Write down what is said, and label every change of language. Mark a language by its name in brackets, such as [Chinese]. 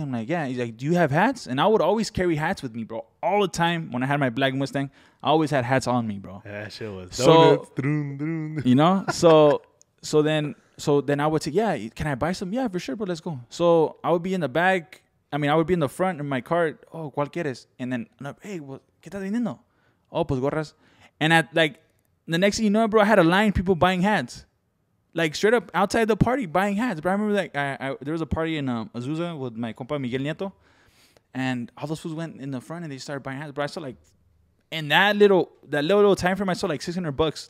[English] I'm like, "Yeah." He's like, "Do you have hats?" And I would always carry hats with me, bro, all the time. When I had my black Mustang, I always had hats on me, bro. Yeah, shit was donuts, droom, droom. You know, so then I would say, "Yeah, can I buy some?" "Yeah, for sure, bro. Let's go." So I would be in the back. I mean, I would be in the front in my cart. [Spanish] "Oh, ¿cuál quieres?" [English] And then, "Hey, well, [Spanish] ¿qué estás vendiendo?" "Oh, pues gorras." [English] And at like the next thing you know, bro, I had a line of people buying hats, like straight up outside the party buying hats. But I remember like there was a party in Azusa with my compa Miguel Nieto, and all those fools went in the front and they started buying hats. But I saw like in that little time frame, I saw like $600.